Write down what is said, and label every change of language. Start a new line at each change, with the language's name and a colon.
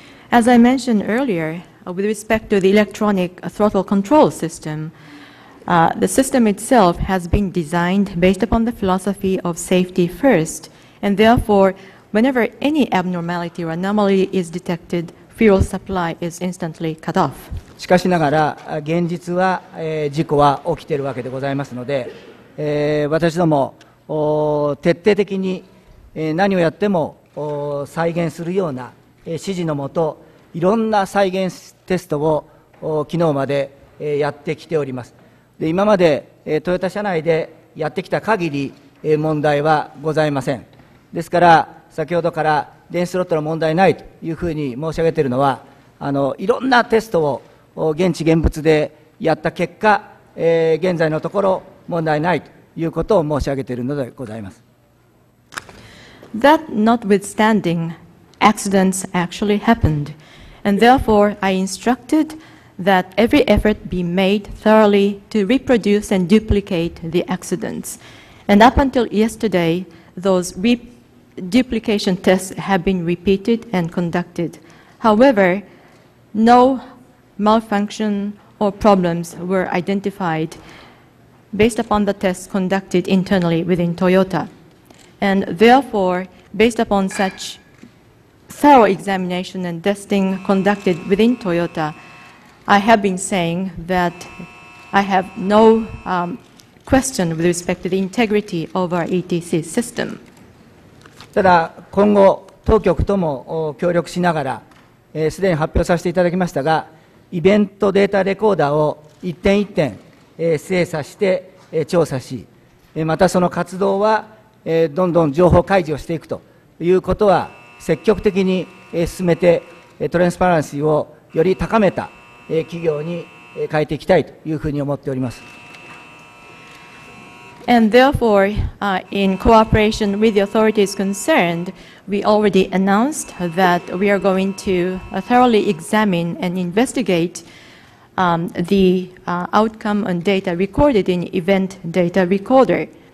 English: As I mentioned earlier, with respect to the electronic throttle control system, the system itself has been designed based upon the philosophy of safety first, and therefore, whenever any abnormality or anomaly is detected, fuel supply is instantly cut off.
Japanese: しかしながら現実は事故は起きているわけでございますので私ども徹底的に何をやっても再現するような指示のもといろんな再現テストを昨日までやってきております。で今までトヨタ社内でやってきた限り問題はございません。ですから先ほどから電子スロットの問題ないというふうに申し上げているのはいろんなテストを現地現物でやった結果、現在のところ問題ないということを申し上げているのでございます。
English: That notwithstanding, accidents actually happened, and therefore I instructed that every effort be made thoroughly to reproduce and duplicate the accidents. And up until yesterday, those duplication tests have been repeated and conducted. However, no malfunction or problems were identified based upon the tests conducted internally within Toyota. And therefore, based upon such thorough examination and testing conducted within Toyota, I have been saying that I have no question with respect to the integrity of our ETC system.
Japanese: ただ今後当局とも協力しながら、すでに発表させていただきましたが、イベントデータレコーダーを一点一点精査して調査し、またその活動はどんどん情報開示をしていくということは積極的に進めて、トランスパランシーをより高めた企業に変えていきたいというふうに思っております。
English: And therefore, in cooperation with the authorities concerned, we already announced that we are going to thoroughly examine and investigate the outcome and data recorded in event data recorder.